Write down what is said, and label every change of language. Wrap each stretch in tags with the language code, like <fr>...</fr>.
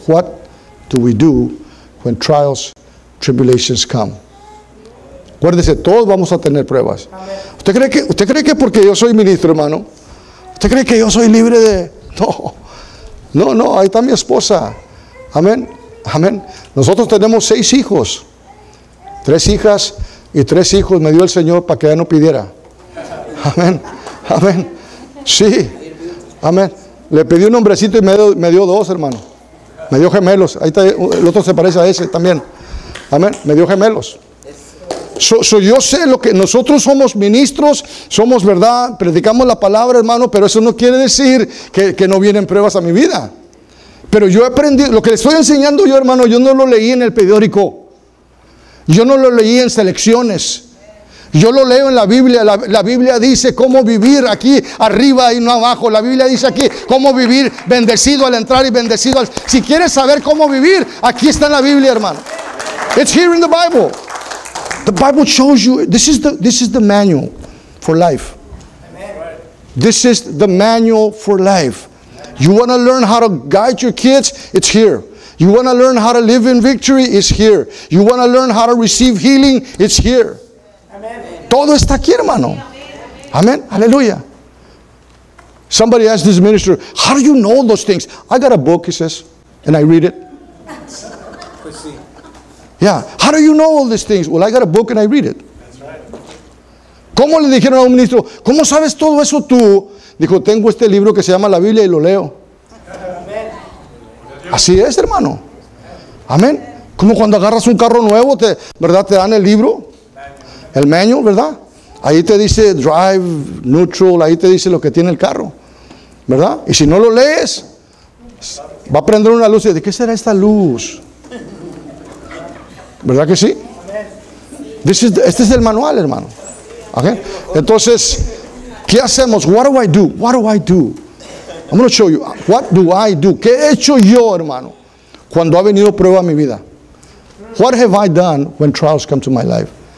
<en>What do we do when trials, tribulations come?</en> <es>Acuérdese, todos vamos a tener pruebas. ¿Usted cree que porque yo soy ministro, hermano? ¿Usted cree que yo soy libre de...? No, ahí está mi esposa. Amén. Nosotros tenemos 6 hijos. 3 hijas y 3 hijos me dio el Señor para que ella no pidiera. Amén. Sí. Amén. Le pedí un hombrecito y me dio 2, hermano. Me dio gemelos. Ahí está, el otro se parece a ese también. Amén. Me dio gemelos. So yo sé lo que nosotros somos ministros, somos verdad, predicamos la palabra, hermano, pero eso no quiere decir que no vienen pruebas a mi vida. Pero yo he aprendido, lo que le estoy enseñando yo, hermano, yo no lo leí en el periódico. Yo no lo leí en selecciones. Yo lo leo en la Biblia, la Biblia dice cómo vivir aquí arriba y no abajo. La Biblia dice aquí cómo vivir bendecido al entrar y bendecido al... Si quieres saber cómo vivir, aquí está en la Biblia, hermano.</es> <en>It's here in the Bible. The Bible shows you, this is the manual for life. This is the manual for life. You want to learn how to guide your kids? It's here. You want to learn how to live in victory? It's here. You want to learn how to receive healing? It's here.</en> <es>Todo está aquí, hermano. Amén. Aleluya.</es> <en>Somebody asked this minister, how do you know those things? I got a book, he says, and I read it. Yeah. How do you know all these things? Well, I got a book and I read it.</en> <es>¿Cómo le dijeron a un ministro, cómo sabes todo eso tú? Dijo, tengo este libro que se llama La Biblia y lo leo. Así es, hermano. Amén. Como cuando agarras un carro nuevo, ¿verdad? Te dan el libro, el manual, ¿verdad? Ahí te dice drive, neutral, ahí te dice lo que tiene el carro, ¿verdad? Y si no lo lees, va a prender una luz y dice, ¿de qué será esta luz? ¿Verdad que sí? Este es el manual, hermano. Okay. Entonces, ¿qué hacemos?</es> <en>What do I do? What do I do? I'm going to show you. What do I do?</en> <es>¿Qué he hecho yo, hermano, cuando ha venido prueba a mi vida?</es> <en>What have I done when trials come to my life?</en>